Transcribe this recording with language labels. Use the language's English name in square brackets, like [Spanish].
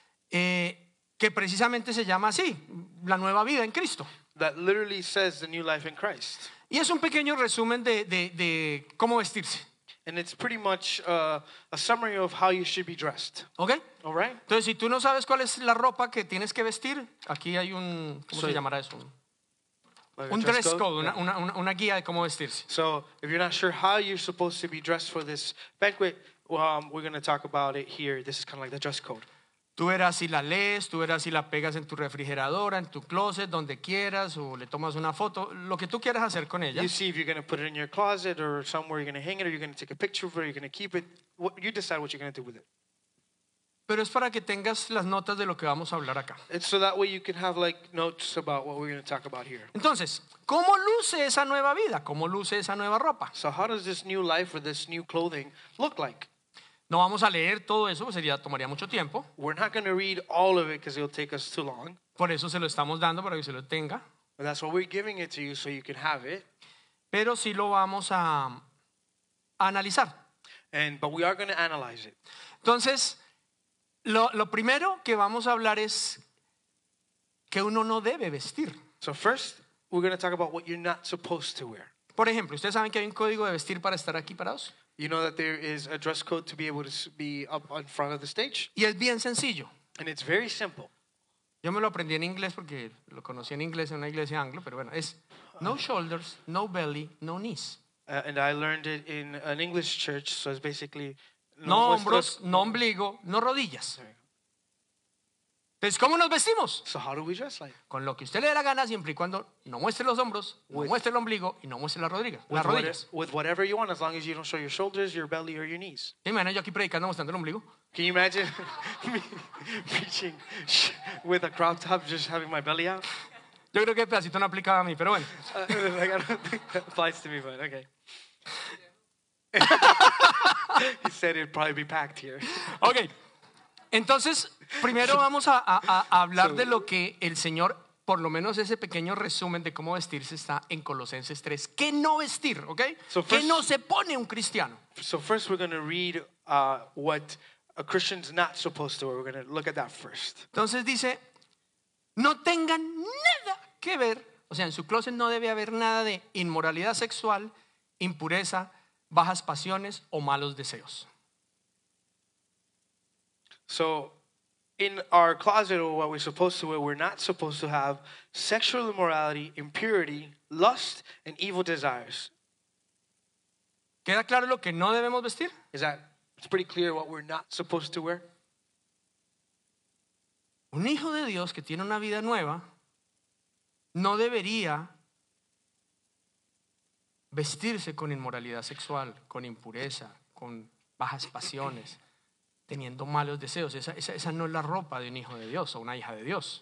[Spanish] Que precisamente se llama así, la nueva vida en Cristo. [English] That literally says the new life in Christ. [Spanish] Y es un pequeño resumen de cómo vestirse. [English] And it's pretty much a summary of how you should be dressed. Okay. All right. [Spanish] Entonces, si tú no sabes cuál es la ropa que tienes que vestir, aquí hay un ¿cómo se llamará eso? [English] Like [Spanish] un dress code, una guía de cómo vestirse. [English] So, if you're not sure how you're supposed to be dressed for this banquet, we're going to talk about it here. This is kind of like the dress code. [Spanish] Tú verás si la lees, tú verás si la pegas en tu refrigeradora, en tu closet, donde quieras, o le tomas una foto, lo que tú quieras hacer con ella. [English] You see if you're going to put it in your closet or somewhere you're going to hang it or you're going to take a picture of it or you're going to keep it. You decide what you're going to do with it. [Spanish] Pero es para que tengas las notas de lo que vamos a hablar acá. [English] It's so that way you can have like notes about what we're going to talk about here. [Spanish] Entonces, ¿cómo luce esa nueva vida? ¿Cómo luce esa nueva ropa? [English] So how does this new life or this new clothing look like? [Spanish] No vamos a leer todo eso, sería tomaría mucho tiempo. [English] We're not going to read all of it because it'll take us too long. [Spanish] Por eso se lo estamos dando para que se lo tenga. [English] But that's why we're giving it to you so you can have it. [Spanish] Pero sí lo vamos a analizar. [English] But we are going to analyze it. [Spanish] Entonces, lo primero que vamos a hablar es que uno no debe vestir. [English] So first, we're going to talk about what you're not supposed to wear. [Spanish] Por ejemplo, ustedes saben que hay un código de vestir para estar aquí parados. [English] You know that there is a dress code to be able to be up in front of the stage. [Spanish] Y es bien sencillo. [English] And it's very simple. [Spanish] Yo me lo aprendí en inglés porque lo conocí en inglés en una iglesia anglo, pero bueno, es [English] no shoulders, no belly, no knees. And I learned it in an English church, so it's basically [Spanish] no hombros, no ombligo, no rodillas. Entonces, ¿cómo nos vestimos? [English] So how do we dress like? [Spanish] Con lo que usted le dé la gana, siempre y cuando no muestre los hombros, no muestre el ombligo y no muestre la rodilla. [English] With whatever you want, as long as you don't show your shoulders, your belly, or your knees. [Spanish] ¿Sí, man, yo aquí predicando mostrando el ombligo? [English] Can you imagine me preaching with a crop top, just having my belly out? [Spanish] Yo creo que pedacito no aplicaba a mí, pero bueno. [English] Like, I don't think that applies to me, but okay. He said it'd probably be packed here. Okay. [Spanish] Entonces, primero vamos a hablar de lo que el Señor, por lo menos ese pequeño resumen de cómo vestirse está en Colosenses 3. ¿Qué no vestir? ¿Okay? [English] So first, [Spanish] ¿qué no se pone un cristiano? [English] So first we're going to read what a Christian's not supposed to wear. We're going to look at that first. [Spanish] Entonces dice, no tengan nada que ver, o sea, en su closet no debe haber nada de inmoralidad sexual, impureza, bajas pasiones o malos deseos. [English] So, in our closet, or what we're supposed to wear, we're not supposed to have sexual immorality, impurity, lust, and evil desires. [Spanish] ¿Queda claro lo que no debemos vestir? [English] Is that, it's pretty clear what we're not supposed to wear? [Spanish] Un hijo de Dios que tiene una vida nueva, no debería vestirse con inmoralidad sexual, con impureza, con bajas pasiones. Teniendo malos deseos, esa no es la ropa de un hijo de Dios o una hija de Dios.